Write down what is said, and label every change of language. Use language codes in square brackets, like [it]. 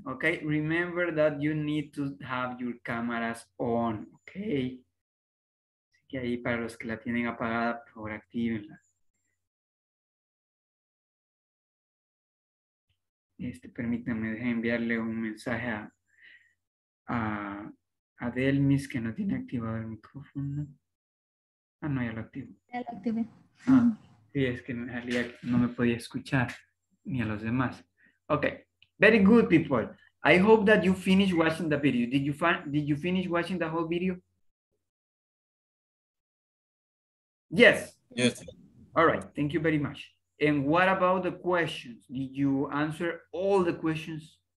[en] Okay, remember that you need to have your cameras on, okay? [es] Y ahí para los que la tienen apagada, por favor, actívenla. Permítanme, deje enviarle un mensaje a Delmis, que no tiene activado el micrófono. Ah, no, ya lo activo. Ya lo activé. Ah, sí, es que en realidad no me podía escuchar ni a los demás. [en] Okay, very good, people. I hope that you finish watching the video. Did you finish watching the whole video? Yes. Yes. All right. Thank you very much. And what about the questions? Did you answer all the questions?